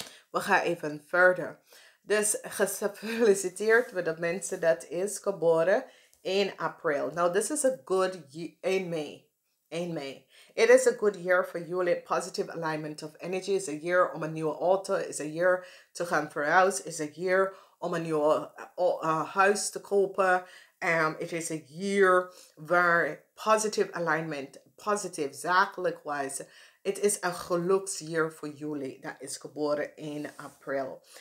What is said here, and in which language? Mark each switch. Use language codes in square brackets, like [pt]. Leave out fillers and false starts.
[nl] We gaan even verder. Dus gefeliciteerd met de mensen dat is geboren in april. [en] Nou, this is a good year in May. In May. It is a good year for jullie. Positive alignment of energy is a year [nl] om een nieuwe auto. [en] Is a year to [nl] gaan verhuizen. [en] Is a year [nl] om een nieuwe huis te kopen. [en] It is a year where positive alignment, positive [nl] zakelijk [en] wise, it is a [nl] geluksjaar voor jullie dat is geboren in april.